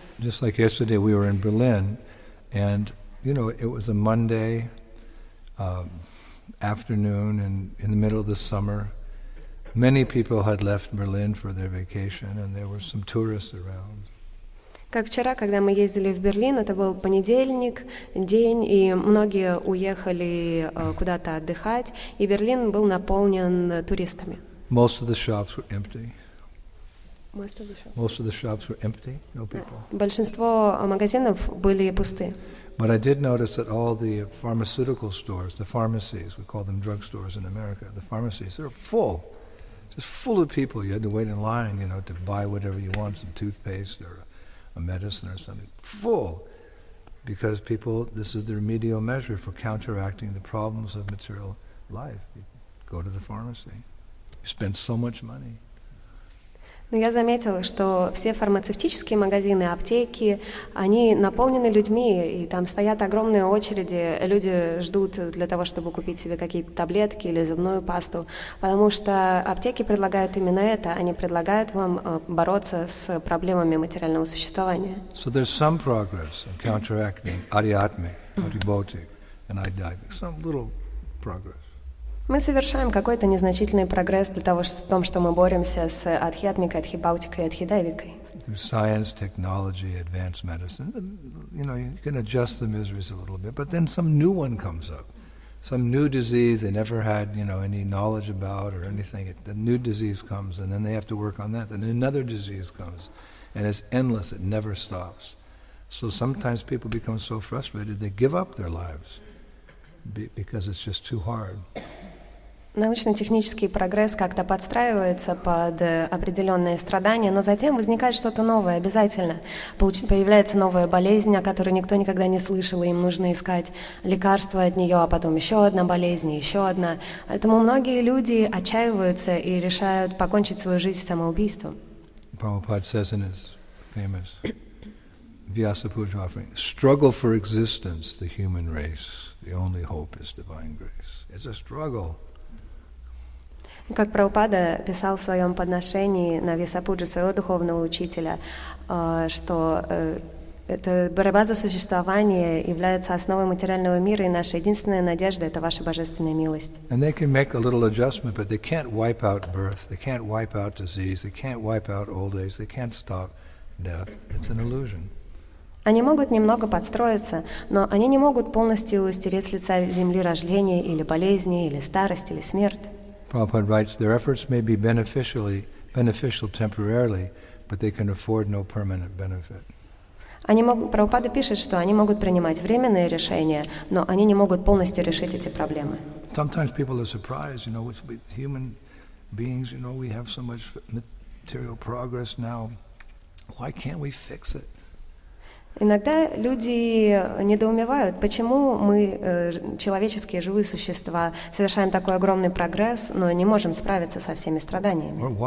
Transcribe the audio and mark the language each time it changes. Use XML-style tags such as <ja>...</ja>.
<en>Just like yesterday, we were in Berlin, and you know, it was a Monday afternoon, and in the middle of the summer, many people had left Berlin for their vacation, and there were some tourists around.</en> <ru>Как вчера, когда мы ездили в Берлин, это был понедельник, день, и многие уехали куда-то отдыхать, и Берлин был наполнен туристами.</ru> <en>Most of the shops were empty. Most of the shops were empty, no people.</en> <ru>Большинство магазинов были пусты.</ru> <en>But I did notice that all the pharmaceutical stores, the pharmacies, we call them drug stores in America, the pharmacies, they're full. Just full of people. You had to wait in line, you know, to buy whatever you want, some toothpaste or a medicine or something, full, because people, this is the remedial measure for counteracting the problems of material life. You go to the pharmacy. You spend so much money.</en> <ru>Но я заметила, что все фармацевтические магазины, аптеки, они наполнены людьми, и там стоят огромные очереди. Люди ждут для того, чтобы купить себе какие-то таблетки или зубную пасту, потому что аптеки предлагают именно это. Они предлагают вам бороться с проблемами материального существования.</ru> <en>So there's some progress in counteracting adhyatmik, adhibhautik, and adhidaivik. Some little progress.</en> <ru>Мы совершаем какой-то незначительный прогресс для того, что, в том, что мы боремся с адхиатмикой, адхибаутикой и адхидаивикой.</ru> <en>Through science, technology, advanced medicine, you know, you can adjust the miseries a little bit, but then some new one comes up. Some new disease they never had, you know, any knowledge about or anything. The new disease comes, and then they have to work on that. Then another disease comes, and it's endless. It never stops. So sometimes people become so frustrated, they give up their lives because it's just too hard.</en> <ru>Научно-технический прогресс как-то подстраивается под определенные страдания, но затем возникает что-то новое, обязательно. Появляется новая болезнь, о которой никто никогда не слышал, и им нужно искать лекарства от нее, а потом еще одна болезнь, еще одна. Поэтому многие люди отчаиваются и решают покончить свою жизнь самоубийством.</ru> <en>Prabhupada says in his famous Vyasa Puja offering, struggle for existence, the human race, the only hope is divine grace. It's a struggle.</en> <ru>Как Прабхупада писал в своем подношении на Вьясапуджу своего духовного учителя, что эта борьба за существование является основой материального мира, и наша единственная надежда — это ваша божественная милость.</ru> <en>And they can make a little adjustment, but they can't wipe out birth, they can't wipe out disease, they can't wipe out old age, they can't stop death. It's an illusion.</en> <ru>Они могут немного подстроиться, но они не могут полностью стереть с лица земли рождение или болезни, или старость, или смерть.</ru> <en>Prabhupada writes, their efforts may be beneficial temporarily, but they can afford no permanent benefit.</en> <ru>Prabhupada пишет, что они могут принимать временные решения, но они не могут полностью решить эти проблемы.</ru> <en>Sometimes people are surprised, you know, with human beings, you know, we have so much material progress now. Why can't we fix it?</en> <ru>Иногда люди недоумевают, почему мы, человеческие живые существа, совершаем такой огромный прогресс, но не можем справиться со всеми страданиями.</ru>